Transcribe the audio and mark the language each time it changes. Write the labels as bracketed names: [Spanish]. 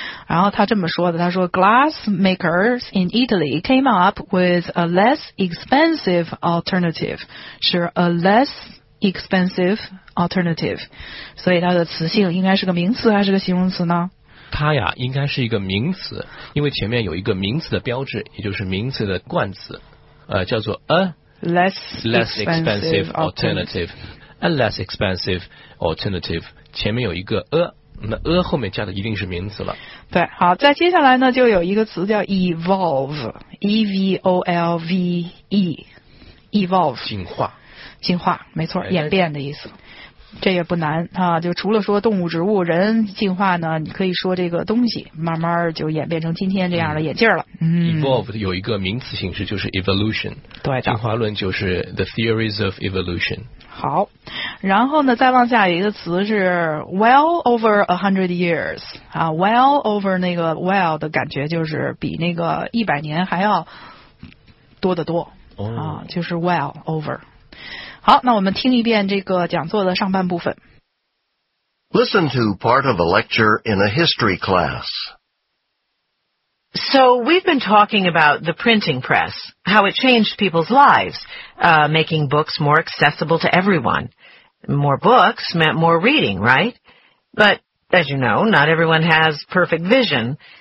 [Chinese] 然后他这么说的，他说 [English] glassmakers in Italy came up with a less expensive alternative, [Chinese] 是 [English] a less expensive alternative, [Chinese] 所以它的词性应该是个名词还是个形容词呢？它呀应该是一个名词，因为前面有一个名词的标志，也就是名词的冠词，叫做 a [English] less expensive alternative, a less expensive alternative, [Chinese] 前面有一个 a, 那 a 后面加的一定是名词了。对，好，再接下来呢就有一个词叫 evolve, evolve, 进化，进化，没错，演变的意思。这也不难啊，就除了说动物植物人进化呢，你可以说这个东西慢慢就演变成今天这样的眼镜了。 Evolve 有一个名词形式就是 evolution, 对，进化论就是 [English] the theories of evolution。 [Chinese] 好，然后呢再往下有一个词是 [English] well over 100 years [Chinese] 啊， well over 那个 well 的感觉就是比那个一百年还要多得多、哦、啊，就是 [English] well over。 [Chinese] 好，那我们听一遍这个讲座的上半部分。 [English] Listen to part of a lecture in a history class. So we've been talking about the printing press, how it changed people's lives, making books more accessible to everyone. More books meant more reading, right? But as you know, not everyone has perfect vision.